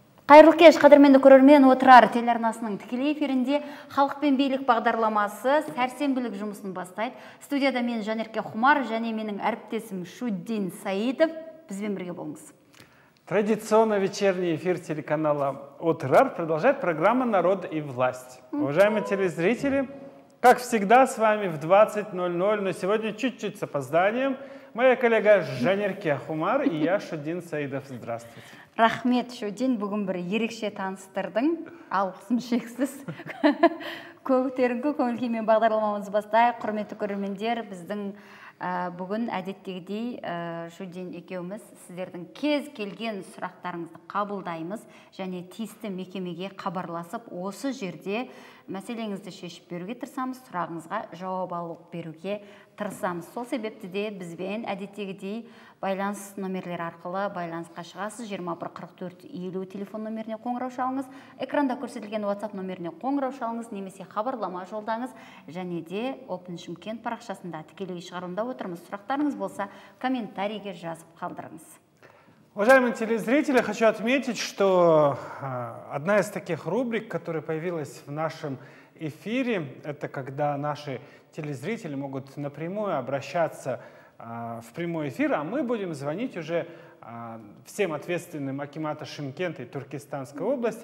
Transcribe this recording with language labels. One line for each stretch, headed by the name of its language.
Kazakh: Қайырлы кеш, қадірменді көрермен, Otyrar телеарнасының тікелей эфирінде халықпен билік бағдарламасы сәрсенбілік жұмысын бастайды. Студияда мен Жанерке Хумар және менің әріптесім Шуддин Саидов. Бізбен бірге болыңыз.
Russian: Традиционно вечерний эфир телеканала Otyrar продолжает программа «Народ и власть». Уважаемые телезрители, как всегда, с вами в 20.00, но сегодня чуть-чуть с опозданием. Моя коллега Жанерке Хумар и я, Шуддин Саидов. Здравствуйте.
Kazakh: Рахмет, Шуддин. Бүгін бір ерекше таныстырдың. Алғысым шексіз. Көптеріңгі көңілгеймен бағдарламамыз бастай. Құрметті көрермендер, біздің бүгін әдеттегідей Шуддин екеуміз сіздердің кез келген сұрақтарыңызды қабылдаймыз. Және тиісті мекемеге қабарласып, осы жерде мәселеңізді шешіп беруге тырысамыз, сұрағыңызға жауап алып беруге тырысамыз. Сол себепті де бізбен әдеттегідей байланыс номерлері арқылы байланысқа шығасыз. 21-44-50 телефон номеріне қоңырау шалыңыз. Экранда көрсетілген WhatsApp номеріне қоңырау шалыңыз, немесе хабарлама жолдаңыз. Және де Open Шымкент парақшасында тікелей шығарымда отырмыз. Сұрақтарыңыз болса, комментарийге жазып қалдырыңыз.
Russian: Уважаемые телезрители, хочу отметить, что одна из таких рубрик, которая появилась в нашем эфире, это когда наши телезрители могут напрямую обращаться в прямой эфир, а мы будем звонить уже всем ответственным акимата Шымкента и Туркестанской области.